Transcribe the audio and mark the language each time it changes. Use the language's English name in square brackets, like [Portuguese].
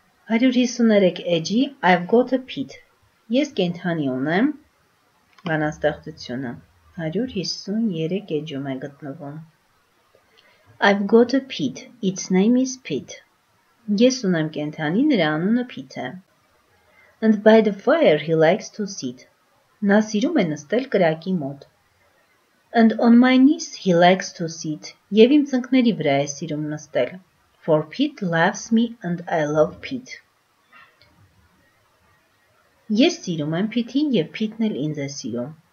[Armenian] 153 էջի, [English] I've got a pit. [Armenian] Ես կենթանի ունեմ. Բանաստեղծությունը. 153 էջում է գտնվում. [English] I've got a pit. Its name is pit. [Armenian] Ես ունեմ կենթանի, նրա անունը pit է. [English] And by the fire he likes to sit. [Armenian] Նա սիրում է նստել կրակի մոտ. [English] And on my knees he likes to sit. [Armenian] Եվ իմ ծնկների վրա է սիրում նստել. [English] For Pete loves me and I love Pete. [Armenian] Ես սիրում եմ Pete-ին եւ Pete-ն էլ ինձ է սիրում.